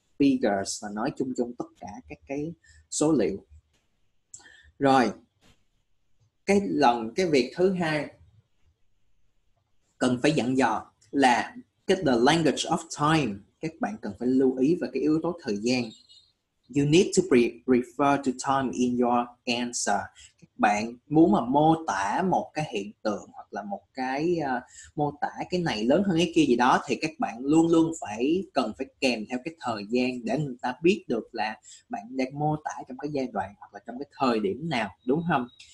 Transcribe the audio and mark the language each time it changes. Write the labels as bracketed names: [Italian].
[Vietnamese] Figures là nói chung chung tất cả các cái số liệu. Rồi cái việc thứ hai cần phải dặn dò là cái [English] the language of time. [Vietnamese] Các bạn cần phải lưu ý về cái yếu tố thời gian. [English] You need to refer to time in your answer. [Vietnamese] Các bạn muốn mà mô tả một cái hiện tượng hoặc là một cái mô tả cái này lớn hơn cái kia gì đó, thì các bạn luôn luôn cần phải kèm theo cái thời gian để người ta biết được là bạn đang mô tả trong cái giai đoạn hoặc là trong cái thời điểm nào, đúng không?